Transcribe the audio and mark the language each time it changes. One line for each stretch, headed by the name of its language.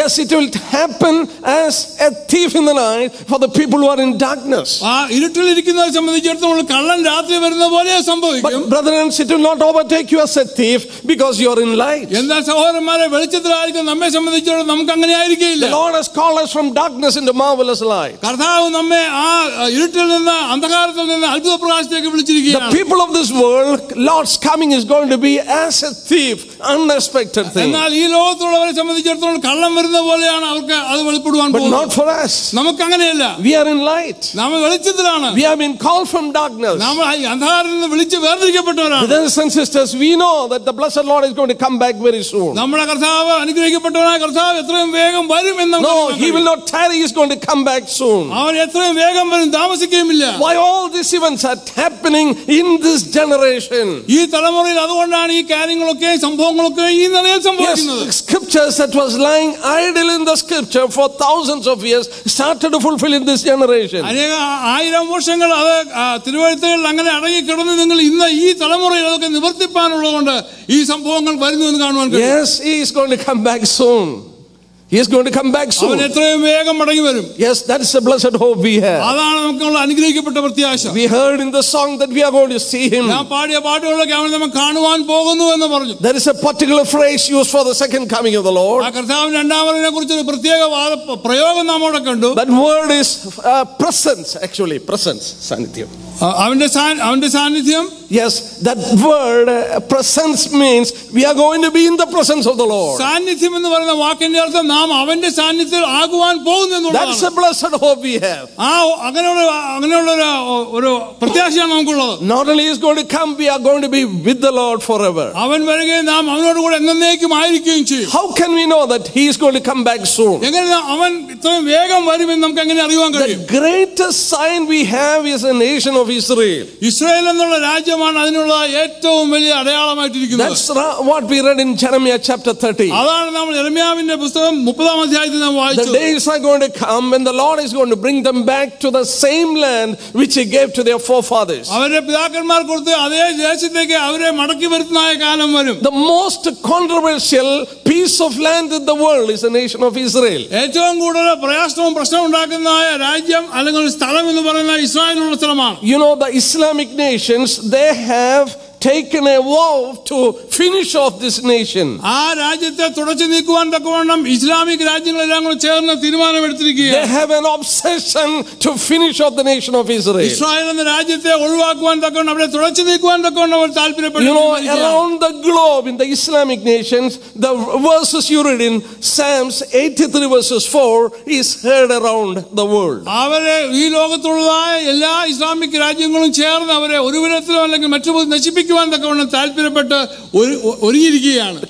English: Yes, it will happen as a thief in the night for the people who are in darkness.
Malayalam: ആ ഇരുട്ടിലിരിക്കുന്നവരെ സംബന്ധിച്ചിടത്തോളം കള്ളൻ രാത്രി വരുന്ന പോലെ സംഭവിക്കും.
English: But brethren, it will not overtake you as a thief because you are in light.
Malayalam: എന്നാൽ സഹോദരന്മാരെ, വെളിച്ചത്തിലായിരിക്കും നമ്മെ സംബന്ധിച്ചിടത്തോളം നമുക്ക് അങ്ങനെ ആയിരിക്കില്ല.
English: The Lord has called us from darkness into marvelous light.
Malayalam: കർത്താവ് നമ്മെ ആ ഇരുട്ടിൽ നിന്ന് അന്ധകാരത്തിൽ നിന്ന് അത്ഭുത പ്രകാശത്തിലേക്ക് വിളിച്ചിരിക്കുകയാണ്.
English: The people of this world, Lord's coming is going to be as a thief, unexpected thing.
Malayalam: എന്നാൽ ഈ ലോകത്തുള്ളവരെ സംബന്ധിച്ചിടത്തോളം കള്ളം വരുന്ന പോലെയാണ് അവർക്ക് അത് വെളിപ്പെടുവാൻ പോകുന്നത്.
English: But not for us.
Malayalam: നമുക്ക് അങ്ങനെയല്ല.
English: We are in light.
Malayalam: നാം വെളിച്ചത്തിലാണ്.
English: We have been called from darkness.
Malayalam: നമ്മൾ അന്ധകാരത്തിൽ നിന്ന് വിളിച്ച് വേർതിരിക്കപ്പെട്ടവരാണ്.
English: Brothers and sisters, we know that the blessed Lord is going to come back very soon.
Malayalam: നമ്മുടെ കർത്താവ്, അനുഗ്രഹിക്കപ്പെട്ടവനായ കർത്താവ് എത്രയും വേഗം വരുമെന്ന്.
English: No, he will not tarry, he is going to come back soon.
Malayalam: അവൻ എത്രയും വേഗം വരും, താമസിക്കുകയില്ല.
English: Why all these events are happening in this generation?
Malayalam: ഈ തലമുറയിൽ അതുകൊണ്ടാണ് ഈ കാര്യങ്ങളൊക്കെ സംഭവങ്ങളൊക്കെ ഈ നിലയിൽ സംഭവിക്കുന്നത്.
English: Scriptures that was lying idle in the scripture for thousands of years started to fulfill in this generation.
Malayalam: ആയിരം വർഷങ്ങൾ അത് തിരുവെഴുത്തുകൾ അങ്ങനെ അടങ്ങി കിടന്നു, നിങ്ങൾ ഇന്ന് ഈ തലമുറയിൽ അതൊക്കെ നിവർത്തിപ്പാനുള്ളതുകൊണ്ട് ഈ സംഭവങ്ങൾ വരുന്നു എന്ന് കാണുവാൻ കഴിയും.
English: Yes, he is going to come back soon. He is going to come back soon.
Malayalam: അവൻ എത്രയും വേഗം മടങ്ങി വരും.
English: Yes, that is the blessed hope we have.
Malayalam: അതാണ് നമുക്കുള്ള അനുഗ്രഹിക്കപ്പെട്ട പ്രത്യാശ.
English: We heard in the song that we are going to see him.
Malayalam: നാം പാടിയ പാട്ടുകളൊക്കെ അവനെ നമ്മൾ കാണുവാൻ പോകുന്നു എന്ന് പറഞ്ഞു.
English: There is a particular phrase used for the second coming of the Lord.
Malayalam: ആ കർത്താവിന്റെ രണ്ടാം വരവിനെ കുറിച്ച് ഒരു പ്രത്യേക പ്രയോഗം നാം അവിടെ കണ്ടു.
English: That word is presence, actually presence, സാന്നിധ്യം.
Malayalam: അവന്റെ സാന്നിധ്യം
English: Yes, that word presence means we are going to be in the presence of the Lord.
Malayalam: സാന്നിധ്യം എന്ന് പറയുന്ന വാക്കിന്റെ അർത്ഥം നാം അവന്റെ സാന്നിധ്യത്തിൽ ആകുവാൻ പോകുന്നു എന്നുള്ളതാണ്.
English: That's a blessed hope we have.
Malayalam: ആ അങ്ങനെയുള്ള ഒരു പ്രത്യാശയാണ് നമുക്കുള്ളത്.
English: Not only is going to come, we are going to be with the Lord forever.
Malayalam: അവൻ വരികയും നാം അവനോട് കൂടെ എന്നേക്കും ആയിരിക്കുകയും ചെയ്യും.
English: How can we know that he is going to come back soon?
Malayalam: എങ്ങനെ അവൻ ഇത്രയും വേഗം വരുമെന്ന് നമുക്ക് എങ്ങനെ അറിയാൻ കഴിയും?
English: The greatest sign we have is the nation of Israel.
Malayalam: Israel എന്നുള്ള രാജ്യം അതിനുള്ള ഏറ്റവും വലിയ അടയാളമായിട്ടിരിക്കുന്നു.
English: That's what we read in Jeremiah chapter 30.
Malayalam: അതാണ് നമ്മൾ യിർമ്യാവിന്റെ പുസ്തകം 30-ാം അധ്യായത്തിൽ നാം വായിച്ചത്.
English: The days are going to come when the Lord is going to bring them back to the same land which he gave to their forefathers.
Malayalam: അവരുടെ പിതാക്കന്മാർ കൊടുത്ത അതേ ദേശത്തേക്ക് അവരെ മടക്കി വരുത്തുന്നതായ കാലം വരും.
English: The most controversial piece of land in the world is the nation of Israel.
Malayalam: ഏറ്റവും കൂടുതൽ പ്രയാസവും പ്രശ്നവും ഉണ്ടാക്കുന്നതായ രാജ്യം അല്ലെങ്കിൽ സ്ഥലം എന്ന് പറയുന്ന ഇസ്രായേലുള്ള സ്ഥലമാണ്.
English: You know the Islamic nations, they have taken a vow to finish off this nation.
Malayalam: ആ രാജ്യത്തെ തുടച്ചു നീക്കുവാൻ തക്കവണ്ണം ഇസ്ലാമിക രാജ്യങ്ങളെല്ലാം കൂടി ചേർന്ന് തീരുമാനമെടുത്തിരിക്കുകയാണ്.
English: They have an obsession to finish off the nation of Israel.
Malayalam: Israel എന്ന രാജ്യത്തെ ഒഴിവാക്കുവാൻ തക്കവണ്ണം അവരെ തുടച്ചു നീക്കുവാൻ തക്കവണ്ണം അവർ താല്പര്യപ്പെടുന്നു.
English: You know, around the globe in the Islamic nations, the verses you read in Psalms 83 verses 4 is heard around the world.
Malayalam: അവരെ ഈ ലോകത്തുള്ളതായ എല്ലാ ഇസ്ലാമിക രാജ്യങ്ങളും ചേർന്ന് അവരെ ഒരു വിധത്തിലോ അല്ലെങ്കിൽ മറ്റു വിധത്തിലോ താല്പര്യപ്പെട്ട് ഒരുങ്ങിയിരിക്കുകയാണ്.